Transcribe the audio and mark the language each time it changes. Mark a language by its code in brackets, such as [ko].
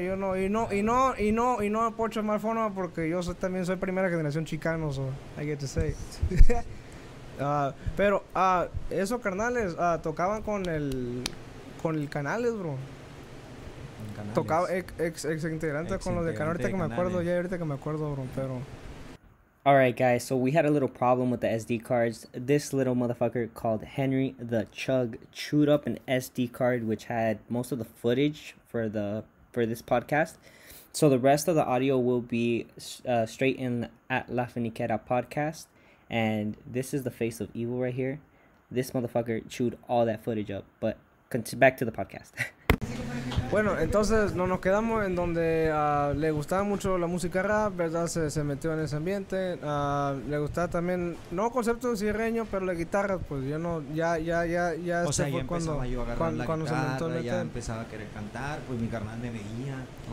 [es] Yo no, y no pochos de mal forma, porque yo también soy primera generación chicano, [en] so, I get to say. [es] pero, esos carnales, tocaban con el Canales, bro. Canales. Tocaba ex-integrante con los de Canales, ahorita que me acuerdo, ya ahorita que me acuerdo, bro, pero... [en] Alright guys, so we had a little problem with the SD cards. This little motherfucker called Henry the Chug chewed up an SD card which had most of the footage for this podcast. So the rest of the audio will be straight in at La Finiqueta podcast. And this is the face of evil right here. This motherfucker chewed all that footage up. But back to the podcast. [es] Bueno, entonces nos quedamos en donde le gustaba mucho la música rap, ¿verdad? Se metió en ese ambiente. Le gustaba también, no concepto de cierreño, pero la guitarra, pues yo no, ya. O sea, ya empezaba yo a agarrar cuando la guitarra, se ya empezaba a querer cantar, pues mi carnal me veía.